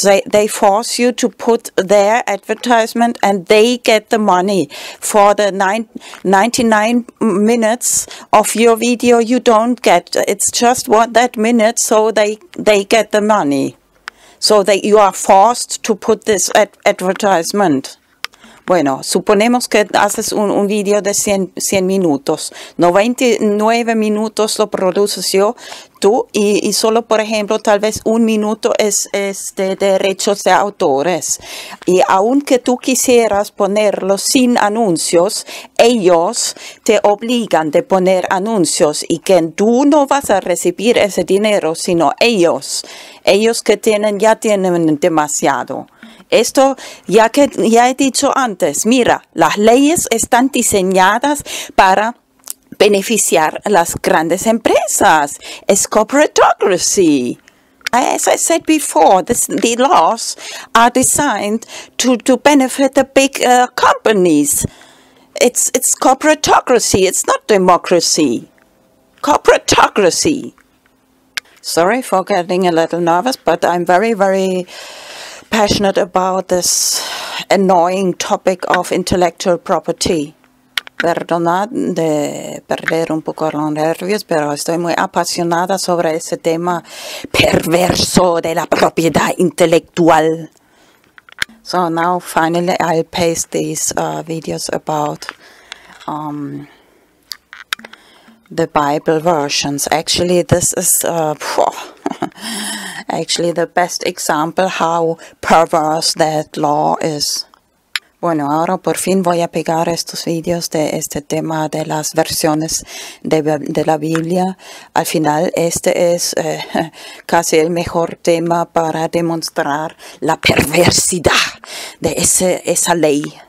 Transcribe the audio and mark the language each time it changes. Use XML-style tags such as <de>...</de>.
<en>They force you to put their advertisement, and they get the money for the 99 minutes of your video. You don't get, it's just what that minute, so they get the money. So that you are forced to put this advertisement.</en> <es>Bueno, suponemos que haces un video de 100 minutos. 99 minutos lo produces yo, tú, y solo, por ejemplo, tal vez un minuto es de derechos de autores. Y aunque tú quisieras ponerlo sin anuncios, ellos te obligan de poner anuncios y que tú no vas a recibir ese dinero, sino ellos. Ellos que tienen, ya tienen demasiado. Esto ya que ya he dicho antes, mira, las leyes están diseñadas para beneficiar a las grandes empresas. Es corporatocracy.</es> <en>As I said before, the laws are designed to benefit the big companies. It's corporatocracy, it's not democracy. Corporatocracy. Sorry for getting a little nervous, but I'm very, very passionate about this annoying topic of intellectual property.</en> <es>Perdonad de perder un poco los nervios, pero estoy muy apasionada sobre ese tema perverso de la propiedad intelectual.</es> <en>So now finally I'll paste these videos about the Bible versions. Actually, this is actually the best example how perverse that law is.</en> <es>Bueno, ahora por fin voy a pegar estos videos de este tema de las versiones de la Biblia. Al final, este es casi el mejor tema para demostrar la perversidad de esa ley.</es>